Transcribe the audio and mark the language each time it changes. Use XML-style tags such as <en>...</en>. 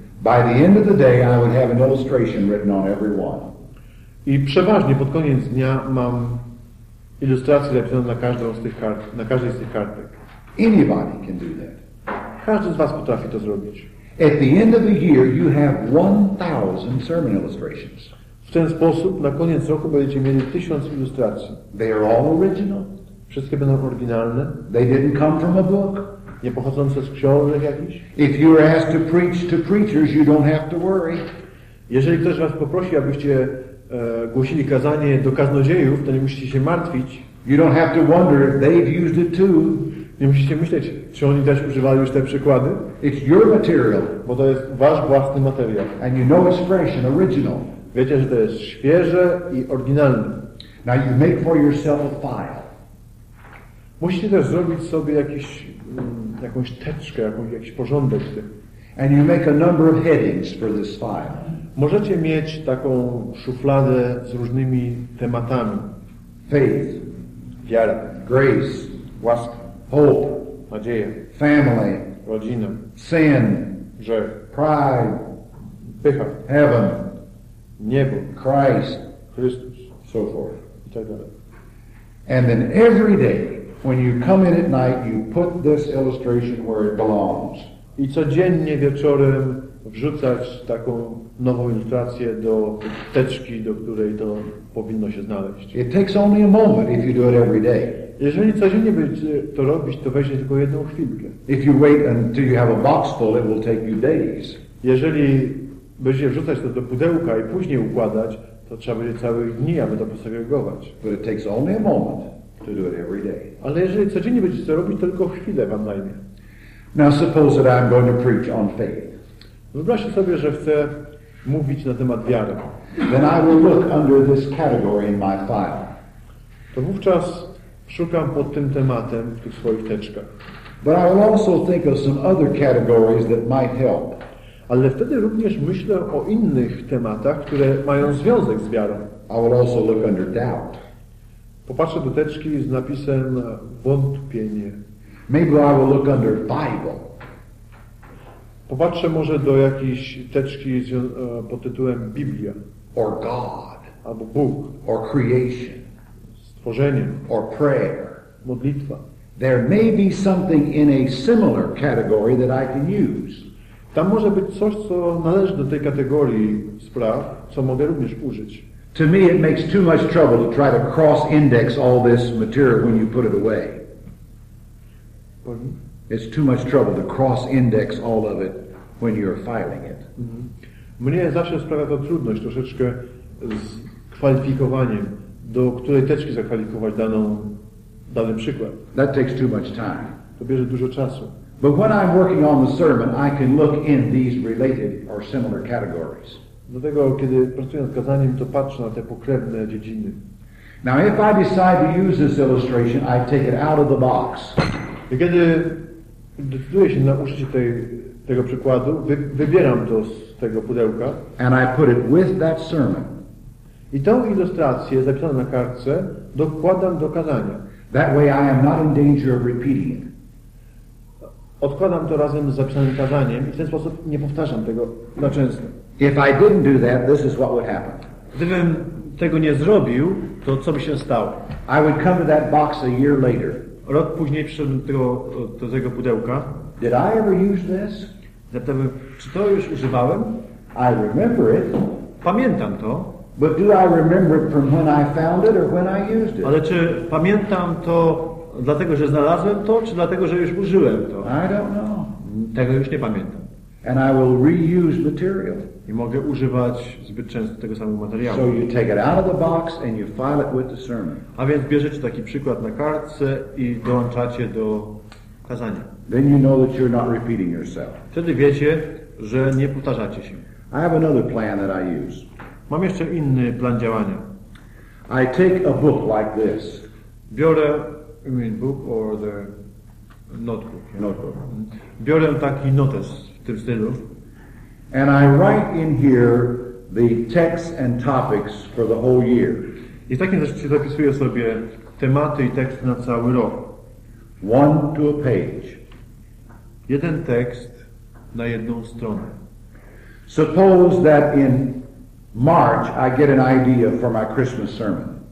<en>By the end of the day, I would have an illustration written on every one.</en> <pl>I przeważnie pod koniec dnia mam ilustrację zapisaną na każdą z tych kart, na każdej z tych kartek.</pl> <en>Anybody can do that.</en> <pl>Każdy z was potrafi to zrobić.</pl> <en>At the end of the year, you have 1,000 sermon illustrations.</en> <pl>W ten sposób na koniec roku będziecie mieli 1,000 ilustracji.</pl> <en>They are all original.</en> <pl>Wszystkie będą oryginalne.</pl> <en>They didn't come from a book.</en> <pl>Nie pochodzące z książek jakichś.</pl> <en>If you are asked to preach to preachers, you don't have to worry.</en> <pl>Jeżeli ktoś was poprosi, abyście głosili kazanie do kaznodziejów, to nie musicie się martwić.</pl> <en>You don't have to wonder if they've used it too.</en> <pl>Nie musicie myśleć, czy oni też używali już te przykłady.</pl> <en>It's your material.</en> <pl>Bo to jest wasz własny materiał.</pl> <en>And you know it's fresh and original.</en> <pl>Wiecie, że to jest świeże i oryginalne.</pl> <en>Now you make for yourself a file.</en> <pl>Musicie też zrobić sobie jakąś teczkę, jakiś porządek.</pl> <en>And you make a number of headings for this file.</en> <pl>Możecie mieć taką szufladę z różnymi tematami.</pl> <en>Faith.</en> <pl>Wiara.</pl> <en>Grace.</en> <pl>Łaska.</pl> <en>Hope.</en> <pl>Nadzieja.</pl> <en>Family.</en> <pl>Rodzina.</pl> <en>Sin.</en> <pl>Grzech.</pl> <en>Pride.</en> <pl>Pycha.</pl> <en>Heaven.</en> <pl>Niebo.</pl> <en>Christ.</en> <pl>Chrystus.</pl> <en>So forth.</en> <pl>I tak dalej.</pl> <en>And then every day, when you come in at night, you put this illustration where it belongs.</en> <pl>I codziennie wieczorem wrzucać taką nową ilustrację do teczki, do której to powinno się znaleźć.</pl> <en>It takes only a moment if you do it every day.</en> <pl>Jeżeli codziennie będziecie to robić, to weźmie tylko jedną chwilkę.</pl> <en>If you wait until you have a box full, it will take you days.</en> <pl>Jeżeli będziecie wrzucać to do pudełka i później układać, to trzeba będzie całych dni, aby to posegregować.</pl> <en>But it takes only a moment to do it every day.</en> <pl>Ale jeżeli codziennie będziecie to robić, tylko chwilę wam zajmie.</pl> <en>Now suppose that I'm going to preach on faith.</en> <pl>Wyobraźcie sobie, że chcę mówić na temat wiary.</pl> <en>Then I will look under this category in my file.</en> <pl>To wówczas szukam pod tym tematem w tych swoich teczkach.</pl> <en>But I will also think of some other categories that might help.</en> <pl>Ale wtedy również myślę o innych tematach, które mają związek z wiarą.</pl> <en>I will also look under doubt.</en> <pl>Popatrzę do teczki z napisem wątpienie.</pl> <en>Maybe I will look under Bible.</en> <pl>Popatrzę może do jakiejś teczki pod tytułem Biblia.</pl> <en>Or God.</en> <pl>Albo Bóg.</pl> <en>Or creation.</en> <pl>Stworzenie.</pl> <en>Or prayer.</en> <pl>Modlitwa.</pl> <en>There may be something in a similar category that I can use.</en> <pl>Tam może być coś, co należy do tej kategorii spraw, co mogę również użyć.</pl> <en>To me it makes too much trouble to try to cross-index all this material when you put it away. Pardon? It's too much trouble to cross-index all of it when you're filing it.</en> <pl>Mnie zawsze sprawia to trudność troszeczkę z kwalifikowaniem, do której teczki zakwalifikować dany przykład.</pl> <en>That takes too much time.</en> <pl>To bierze dużo czasu.</pl> <en>But when I'm working on the sermon, I can look in these related or similar categories.</en> <pl>Dlatego, kiedy pracuję nad kazaniem, to patrzę na te pokrewne dziedziny.</pl> <en>Now, if I decide to use this illustration, I take it out of the box.</en> <pl>I kiedy decyduję się na użycie tego przykładu, wybieram to z tego pudełka.</pl> <en>And I put it with that sermon.</en> <pl>I tą ilustrację zapisaną na kartce dokładam do kazania.</pl> <en>That way I am not in danger of repeating it.</en> <pl>Odkładam to razem z zapisanym kazaniem i w ten sposób nie powtarzam tego na często.</pl> <en>If I didn't do that, this is what would happen.</en> <pl>Gdybym tego nie zrobił, to co by się stało?</pl> <en>I would come to that box a year later.</en> <pl>Rok później przyszedłem do tego pudełka.</pl> <en>Did I ever use this?</en> <pl>Zapytałem, czy to już używałem?</pl> <en>I remember it.</en> <pl>Pamiętam to.</pl> <en>But do I remember it from when I found it or when I used it?</en> <pl>Ale czy pamiętam to dlatego, że znalazłem to, czy dlatego, że już użyłem to?</pl> <en>I don't know.</en> <pl>Tego już nie pamiętam.</pl> <en>And I will reuse material.</en> <pl>I mogę używać zbyt często tego samego materiału.</pl> <en>So you take it out of the box and you file it with the sermon.</en> <pl>A więc bierzecie taki przykład na kartce i dołączacie do kazania.</pl> <en>Then you know that you're not repeating yourself.</en> <pl>Wtedy wiecie, że nie powtarzacie się.</pl> <en>I have another plan that I use.</en> <pl>Mam jeszcze inny plan działania.</pl> <en>I take a book like this.</en> <pl>Biorę,</pl> <en>you mean book or the notebook? Yeah? Notebook.</en> <pl>Biorę taki notes w tym stylu.</pl> <en>And I write in here the texts and topics for the whole year.</en> <pl>I w takim razie zapisuję sobie tematy i teksty na cały rok.</pl> <en>One to a page.</en> <pl>Jeden tekst na jedną stronę.</pl> <en>Suppose that in March I get an idea for my Christmas sermon.</en>